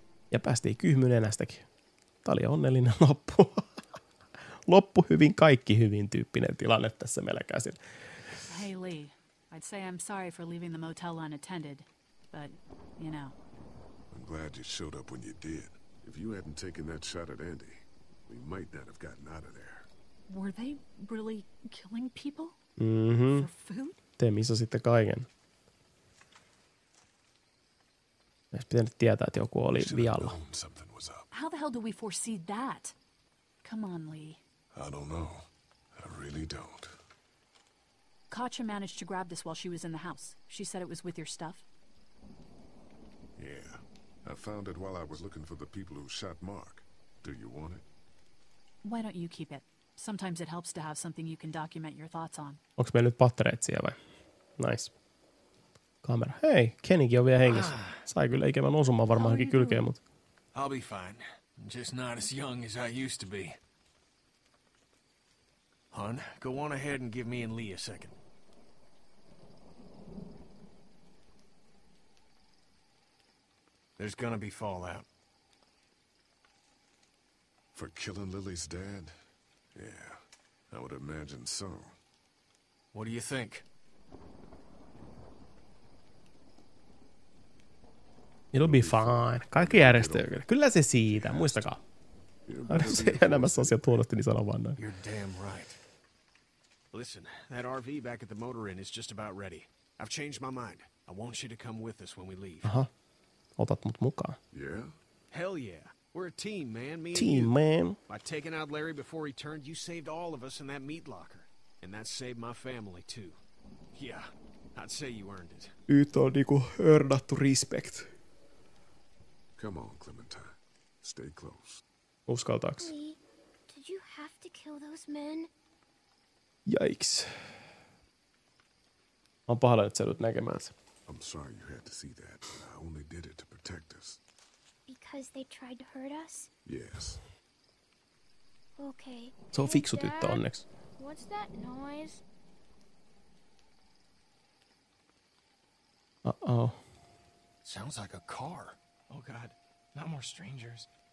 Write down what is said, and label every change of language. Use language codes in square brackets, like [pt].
[fi] Ja päästiin kyhmynenästäkin. Tää oli onnellinen loppu. Loppu hyvin, kaikki hyvin tyyppinen tilanne tässä meillä käsin. [en] Hey Lee, I'd say I'm sorry for leaving the motel unattended, but you know. I'm glad you showed up when you did. If you hadn't taken that shot at Andy, we might not have gotten out of there. Were they really killing people? Mm-hmm. For food? [fi] Te missasitte kaiken. Olisi pitänyt tietää, että joku oli vialla. [en] How the hell do we foresee that? Come on, Lee. I don't know. I really don't. Katja managed to grab this while she was in the house. She said it was with your stuff. Yeah. I found it while I was looking for the people who shot Mark. Do you want it? Why don't you keep it? Sometimes it helps to have something you can document your thoughts on. [fi] Onks meillä nyt pattereet siellä vai? Nice. Kamera. Hei, Kennykin on vielä hengissä. Sai kyllä ikävän osumaan varmaankin kylkeen, mut. [en] I'll be fine. Just not as young as I used to be. Hon, go on ahead and give me and Lee a second. There's gonna be fallout. For killing Lily's dad? Yeah, I would imagine so. What do you think? It'll be fine. [fi] Kaikki järjestyy. Kyllä se siitä. Muistakaa. Aina se elämässä asia tuodosti, niin sanon vaan näin. [en] You're damn right. Listen, that RV back at the motor inn is just about ready. I've changed my mind. I want you to come with us when we leave. [fi] Aha. Otat mut mukaan. [en] Yeah? Hell yeah. We're a team, man. Me team, man. By taking out Larry before he turned, you saved all of us in that meat locker. And that saved my family, too. Yeah, I'd say you earned it. [fi] Yt on niinku earnattu [en] respect. Come on, Clementine. Stay close. [fi] Uskaltaaks? [en] Lee, did you have to kill those men? Yikes. [fi] Mä oon pahalla, että sä joudut näkemään se. [en] I'm sorry you had to see that, but I only did it to protect us. Because they tried to hurt us? Yes. Okay. [fi] Se on fiksu tyttö onneksi. [en] What's that noise? Uh-oh. Sounds like a car. Oh god, not more strangers.